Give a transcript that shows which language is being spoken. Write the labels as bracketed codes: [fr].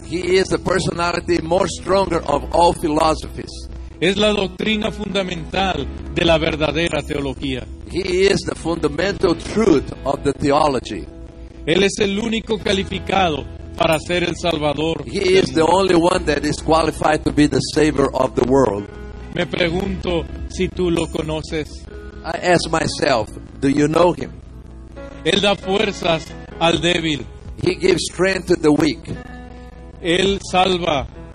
[en] He is the personality more stronger of all philosophies. [es] Es la doctrina fundamental de la verdadera teología. [en] He is the fundamental truth of the theology. [es] Él es el único calificado para ser el Salvador. [en] He is the only one that is qualified to be the Savior of the world. [es] Me pregunto si tú lo conoces. [en] I ask myself, do you know him? [es] Él da fuerzas al débil. [en] He gives strength to the weak. [es] Él salva.